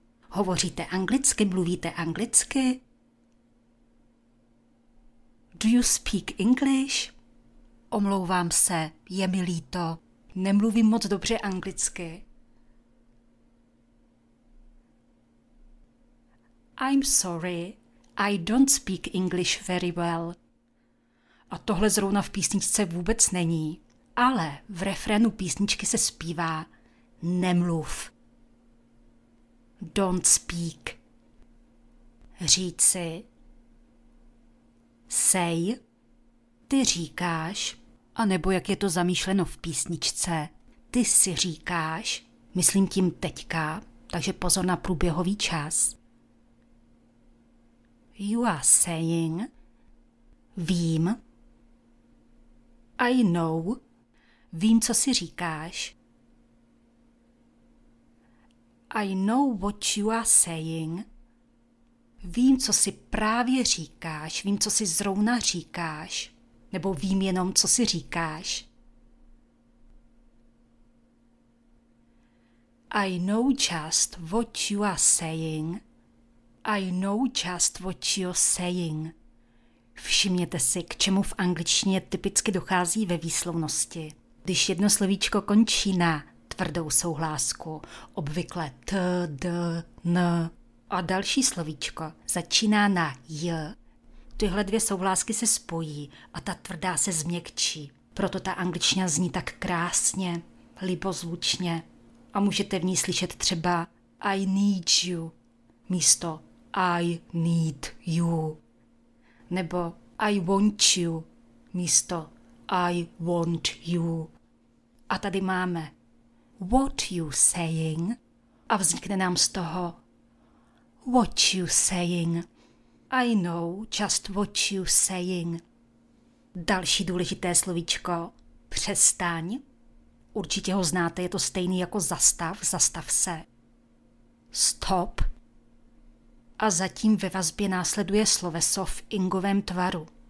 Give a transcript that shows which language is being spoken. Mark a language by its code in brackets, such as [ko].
[cs] Hovoříte anglicky, mluvíte anglicky? [en] Do you speak English? [cs] Omlouvám se, je mi líto. Nemluvím moc dobře anglicky. [en] I'm sorry, I don't speak English very well. [cs] A tohle zrovna v písničce vůbec není, ale v refrénu písničky se zpívá nemluv. [en] Don't speak. [cs] Říci. [en] Say. [cs] Ty říkáš, a nebo jak je to zamýšleno v písničce, ty si říkáš, myslím tím teďka, takže pozor na průběhový čas. [en] You are saying. [cs] Vím. [en] I know. [cs] Vím, co si říkáš. [en] I know what you are saying. [cs] Vím, co si právě říkáš. Vím, co si zrovna říkáš. Nebo vím jenom, co si říkáš. [en] I know just what you are saying. I know just what you're saying. [cs] Všimněte si, k čemu v angličtině typicky dochází ve výslovnosti. Když jedno slovíčko končí na tvrdou souhlásku, obvykle t, d, n, a další slovíčko začíná na j, tyhle dvě souhlásky se spojí a ta tvrdá se změkčí. Proto ta angličtina zní tak krásně, libozvučně. A můžete v ní slyšet třeba [en] I need you [cs] místo I need you. [en] Nebo I want you místo I want you. [cs] A tady máme [en] what you saying [cs] a vznikne nám z toho what you saying. [en] I know just what you saying. [cs] Další důležité slovíčko přestaň. Určitě ho znáte, je to stejný jako zastav, zastav se. Stop. A zatím ve vazbě následuje sloveso v ingovém tvaru.